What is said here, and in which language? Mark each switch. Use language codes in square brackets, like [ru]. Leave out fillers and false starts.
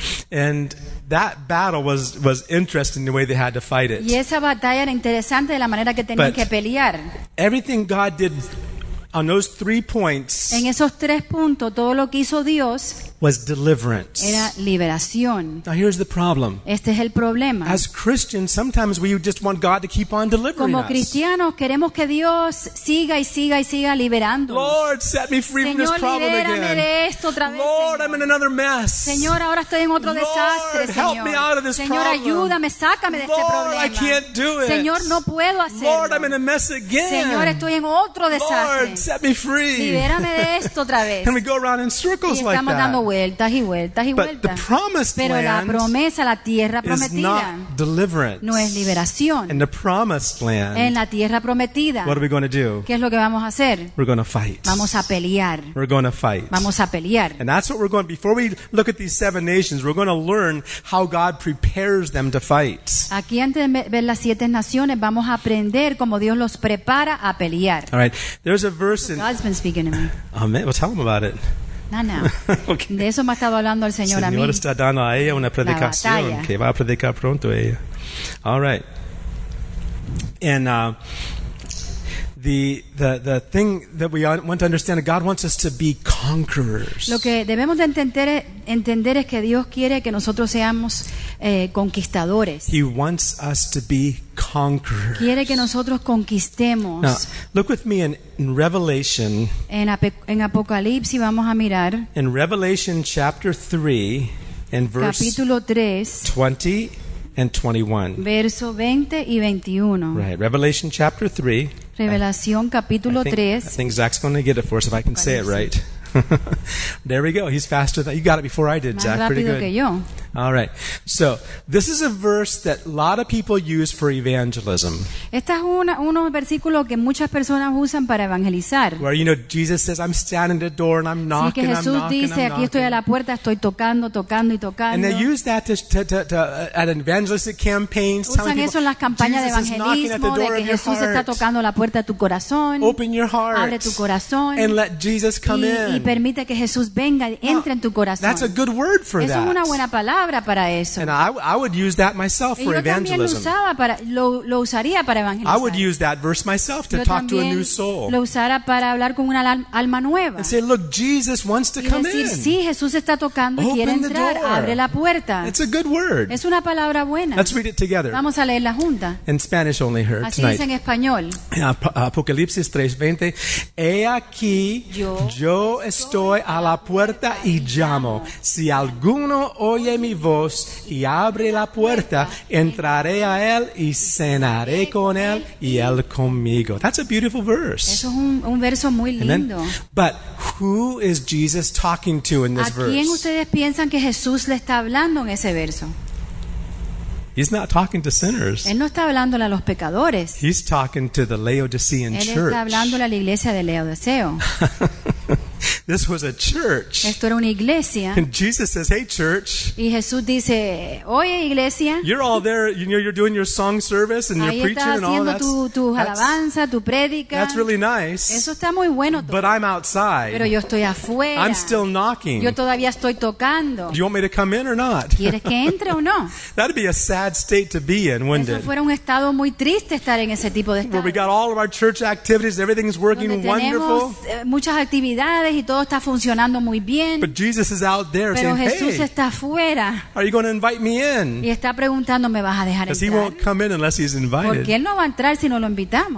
[en] And that battle was interesting the way they had to fight it. [es] Y esa batalla era interesante de la manera que tenían [en] but [es] que pelear. [en] Everything God did on those 3 points [es] en esos tres puntos, todo lo que hizo Dios [en] was deliverance. [es] Era liberación. [en] Now here's the problem. [es] Este es el problema. [en] As Christians, sometimes we just want God to keep on delivering [es] us. Como cristianos, queremos que Dios siga y siga y siga liberándonos. [en] Lord, set me free [es] Señor, [en] from this problem again. [es] Libérame de esto otra vez, [en] Lord, I'm in another mess. [es] Señor, ahora estoy en otro [en] Lord, [es] desastre, [en] Lord, help [es] Señor. [en] Me out of this [es] Señor, [en] problem. [es] Ayúdame, sácame [en] Lord, [es] de este problema. [en] I can't do it. [es] Señor, no puedo hacerlo. [en] Lord, I'm in a mess again. [es] Señor, estoy en otro desastre. [en] Lord, set me free. [es] Libérame de esto otra vez. [en] And we go around in circles [es] y estamos [en] like that. [es] Vueltas y vueltas y [en] but [es] vueltas. [en] The promised [es] pero la promesa, la tierra prometida no es liberación. [en] In the promised land, [es] en la tierra prometida, [en] what are we going to do? [es] ¿Qué es lo que vamos a hacer? [en] We're going to fight. [es] Vamos a pelear. [en] We're going to fight. [es] Vamos a pelear. [en] And that's what we're going, before we look at these seven nations, we're going to learn how God prepares them to fight. [es] Aquí antes de ver las siete naciones, vamos a aprender cómo Dios los prepara a pelear. [en] All right. There's a verse in, God's been speaking to me. Amen. Well, tell him about it. No. Okay. [es] De eso me ha estado hablando el Señor, Señor a mí. El Señor está dando a ella una predicación que va a predicar pronto a ella. [en] All right. And the thing that we want to understand, God wants us to be conquerors. [es] Lo que debemos de entender es que Dios quiere que nosotros seamos conquistadores. [en] He wants us to be conquerors. [es] Quiere que nosotros conquistemos. [en] Now, look with me in Revelation. [es] En Apocalipsis vamos a mirar. [en] In Revelation chapter 3, in verse [es] capítulo 3, [en] 20 and 21. [es] Verso 20 y 21. [en] Right, Revelation chapter 3. [es] Revelación capítulo 3. [en] I think Zach's going to get it for us if I can say it right. There we go. He's faster than you got it before I did, Zach. Pretty good. [es] Que yo. [en] All right. So this is a verse that a lot of people use for evangelism. [es] Esta es unos versículos que muchas personas usan para evangelizar. [en] Where you know Jesus says, "I'm standing at the door and I'm knocking." [es] Sí, que Jesús [en] I'm knocking, [es] dice, [en] I'm [es] aquí estoy a la puerta, estoy tocando, tocando y tocando. [en] And they use that to at evangelistic campaigns. [es] Usan [en] people, [es] eso en las campañas de evangelismo de que Jesús está tocando la puerta de tu corazón. [en] Open your heart. [es] Abre tu corazón. [en] And let Jesus come in. [es] Y permite que Jesús venga y entre en tu corazón. [en] That's a good word for that. [es] Es una buena palabra para eso. [en] And I would use that myself for evangelism. [es] Yo también lo usaría para evangelizar. [en] I would use that verse myself to talk to a new soul. [es] Lo usara para hablar con una alma nueva. [en] And say, look, Jesus wants to come in. [es] Y decir, sí, Jesús está tocando y quiere entrar. Abre la puerta. [en] It's a good word. [es] Es una palabra buena. [en] Let's read it together. [es] Vamos a leerla junta. [en] In Spanish only here tonight. [es] Así dice en español. Apocalipsis 3:20. He aquí, yo estoy a la puerta y llamo. Si alguno oye mi voz y abre la puerta, entraré a él y cenaré con él y él conmigo. [en] That's a beautiful verse. [es] Eso es un verso muy lindo. [en] But who is Jesus talking to in this verse? [es] ¿A quién ustedes piensan que Jesús le está hablando en ese verso? [en] He's not talking to sinners. [es] Él no está hablándole a los pecadores. [en] He's talking to the Laodicean church. [es] Él está hablándole a la iglesia de Laodiceo. [en] This was a church. [es] Esto era una iglesia. [en] And Jesus says, "Hey, church." [es] Y Jesús dice, "Oye, iglesia." [en] You're all there. You know, you're doing your song service and your preaching and all that. [es] Ahí estás haciendo tu alabanza, tu prédica. [en] That's really nice. [es] Eso está muy bueno. [en] But I'm outside. [es] Pero yo estoy afuera. [en] I'm still knocking. [es] Yo todavía estoy tocando. [en] Do you want me to come in or not? [es] ¿Quieres que entre o no? [en] That'd be a sad state to be in, wouldn't it? [es] Eso fuera un estado muy triste estar en ese tipo de estado. [en] Where we got all of our church activities, everything's working wonderful. [es] Muchas actividades y todo está funcionando muy bien. [en] But Jesus is out there [es] pero [en] saying, [es] Jesús [en] hey, [es] está afuera. [en] Are you going to invite me in? [es] Y está preguntando, ¿me vas a dejar entrar? [en] He won't come in unless he's invited. [es] Porque él no va a entrar si no lo invitamos.